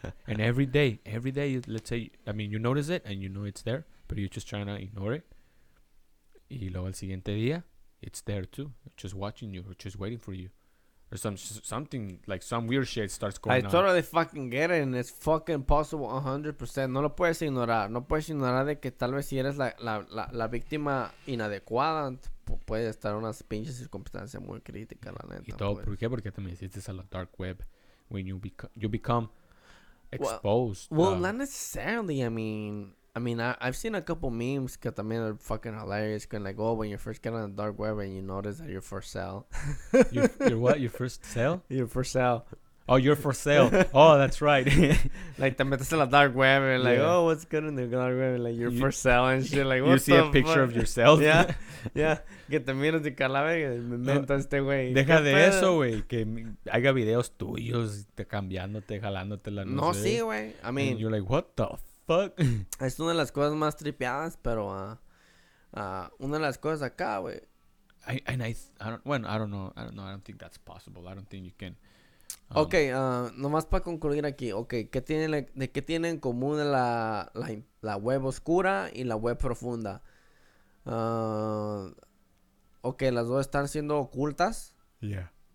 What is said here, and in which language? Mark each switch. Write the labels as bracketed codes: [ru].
[en] And every day, let's say, I mean, you notice it and you know it's there, but you're just trying to ignore it. [es] Y luego el siguiente día, [en] it's there too. Just watching you, or just waiting for you. Or something, like some weird shit starts going on. I totally fucking get it, and it's fucking possible 100%. [es] No lo puedes ignorar. No puedes ignorar de que tal vez si eres la víctima inadecuada, puede estar en unas pinches circunstancias muy críticas, la neta. ¿Y todo por qué? Porque también hiciste a la dark web. [en] When you become exposed. Well, not necessarily. I've seen a couple memes [es] que también [en] are fucking hilarious. Kind of like, when you first get on the dark web and you notice that you're for sale. You're what? Your first sale? You're for sale. Oh, you're for sale. Oh, that's right. Like, [es] te metes en la [en] dark web and like, oh, what's good in the dark web? Like, you're for sale and shit. Like, what's up? You see a picture of yourself? [es] Yeah, yeah. Que te miras de calavera y me mento este güey. Deja de eso, güey. Que haya videos tuyos cambiándote, jalándote la noche. No, sí, güey. [en] I mean. And you're like, what the fuck? [es] Es una de las cosas más tripeadas, pero una de las cosas acá, güey. [en] I don't know. I don't think that's possible. I don't think you can. [es] Okay, nomás para concluir aquí, okay, ¿qué tiene en común la web oscura y la web profunda? Okay, las dos están siendo ocultas. [en] Yeah.